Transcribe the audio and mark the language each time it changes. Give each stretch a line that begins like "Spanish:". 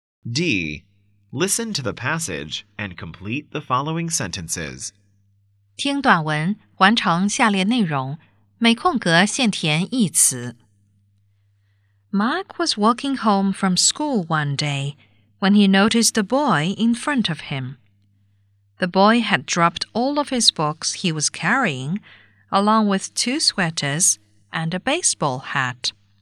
English: D. Listen to the passage and complete the following sentences.
Chinese: 听短文，完成下列内容，每空格限填一词。
English: Mark was walking home from school one day when he noticed a boy in front of him. The boy had dropped all of his books he was carrying, along with two sweaters and a baseball hat.